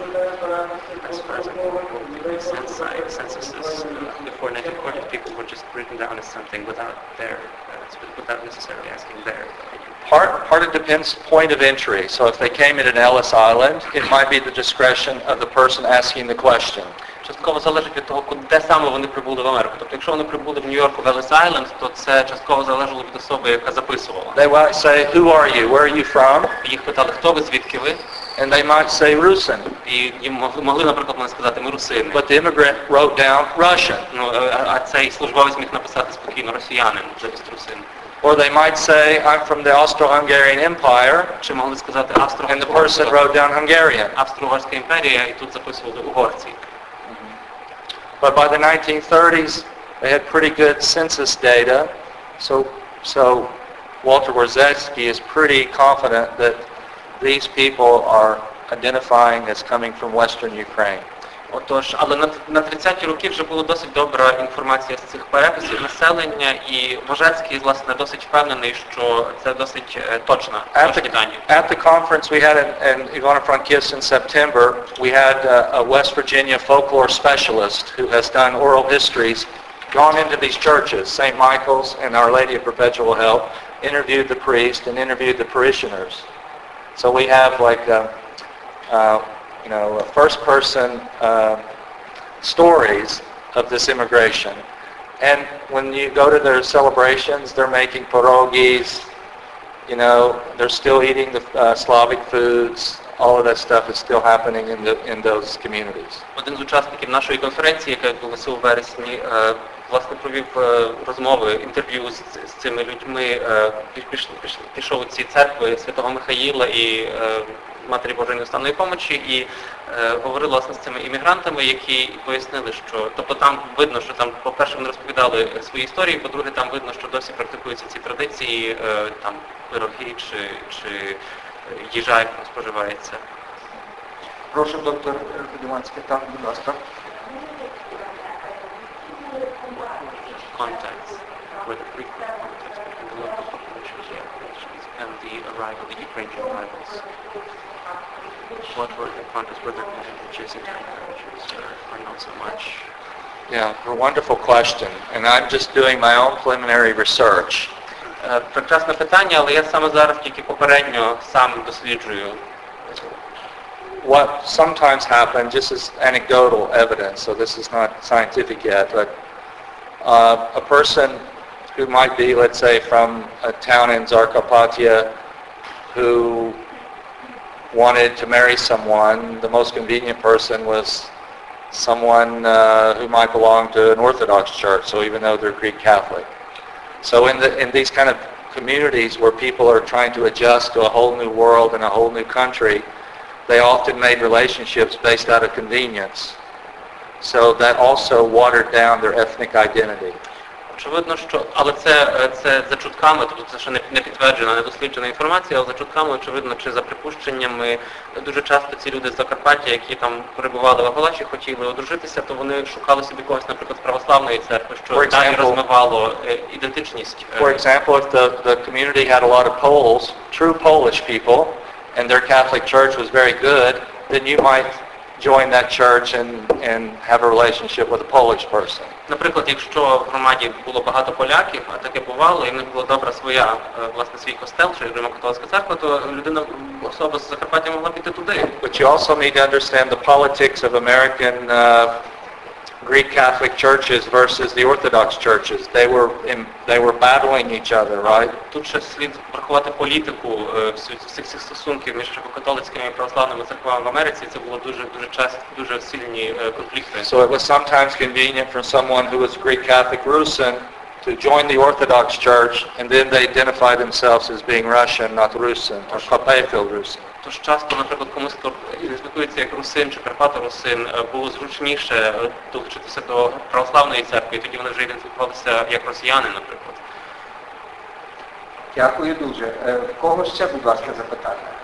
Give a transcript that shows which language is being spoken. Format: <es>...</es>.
<en>As far as I can recall, the censuses before 1940, people were just written down as something without necessarily asking their opinion. Part it depends point of entry. So if they came in an Ellis Island, it might be the discretion of the person asking the question.</en> <uk>Частково залежить від того, де саме вони прибули в Америку. Тобто, якщо вони прибули в Нью-Йорку, в Еллес-Айленд, то це частково залежало від особи, яка записувала.</uk> <en>They might say, who are you? Where are you from?</en> <uk>Їх питали, хто ви, звідки ви?</uk> <en>And they might say, Русин.</en> <uk>І їм могли, наприклад, вони сказати, ми русини.</uk> <en>But the immigrant wrote down, Russian.</en> <uk>Ну, а цей службовець міг написати спокійно, росіянин, замість русин.</uk> <en>Or they might say, I'm from the Austro-Hungarian Empire.</en> <uk>Чи могли сказати,</uk> <en>And the person wrote down, Hungarian.</en> <uk>Австро-Угорська імперія, і тут записували угорці.</uk> <en>But by the 1930s, they had pretty good census data, so Walter Wierzecki is pretty confident that these people are identifying as coming from Western Ukraine.</en> <uk>Отож, але на 30-ті роки вже була досить добра інформація з цих переписів населення, і Вожецький, власне, досить впевнений, що це досить точно.</uk> <en>At the conference we had in Ivano-Frankivsk in September, we had a West Virginia folklore specialist who has done oral histories, gone into these churches, St. Michael's and Our Lady of Perpetual Help, interviewed the priest and interviewed the parishioners. So we have like a first person stories of this immigration, and when you go to their celebrations, they're making pierogies, you know, they're still eating the Slavic foods, all of that stuff is still happening in those communities.</en> <uk>Один з учасників нашої конференції, яка відбулася у вересні, власне провів розмови, інтерв'ю з цими людьми, пішов у ці церкви Святого Михаїла і Матері Божої Неустанної Помочі, і говорили, власне, з цими іммігрантами, які пояснили, що... Тобто там видно, що там, по-перше, вони розповідали свої історії, по-друге, там видно, що досі практикуються ці традиції, там, пироги чи їжа, як вона споживається. Прошу, доктор Підіванський, так, будь ласка.</uk> <en>Contacts with frequent contacts between the local populations and the arrival, the Ukrainian arrivals. What were the contacts with the languages and languages or not so much? Yeah, a wonderful question. And I'm just doing my own preliminary research.</en> <uk>Прекрасне питання, але я саме зараз тільки попередньо сам досліджую.</uk> <en>What sometimes happened, just as anecdotal evidence, so this is not scientific yet, but a person who might be, let's say, from a town in Zakarpattia who wanted to marry someone, the most convenient person was someone who might belong to an Orthodox church, so even though they're Greek Catholic. So in these kind of communities where people are trying to adjust to a whole new world and a whole new country, they often made relationships based out of convenience. So that also watered down their ethnic identity.</en> <uk>Очевидно, що, але це за чутками, тобто це ще не підтверджена, не досліджена інформація, але за чутками, очевидно, чи за припущеннями, дуже часто ці люди з Закарпаття, які там перебували в Галичі, хотіли одружитися, то вони шукали собі когось, наприклад, з православної церкви, що далі розмивало ідентичність.</uk> <en>For example, if the community had a lot of Poles, true Polish people, and their Catholic church was very good, then you might join that church and have a relationship with a Polish person.</en> <uk>Наприклад, якщо в громаді було багато поляків, а таке бувало, і в них була добра своя, власне, свій костел, чи Римо-католицька церква, то людина, особа з Закарпаття могла піти туди.</uk> <en>But you also need to understand the politics of American Greek Catholic churches versus the Orthodox churches. They were battling each other, right?</en> <uk>Тут ще слід врахувати політику всіх цих стосунків між католицькими і православними церквами в Америці. Це було дуже сильні конфлікти.</uk> <en>So it was sometimes convenient for someone who was Greek Catholic Rusyn to join the Orthodox Church, and then they identify themselves as being Russian, not Russian, or Papaical Russian.</en> <uk>Тож часто, наприклад, комусь, хто ідентифікується як русин чи карпаторусин, було зручніше долучитися до православної церкви, і тоді вони вже ідентифікувалися як росіяни, наприклад. Дякую дуже. В кого ще, будь ласка, запитання?</uk>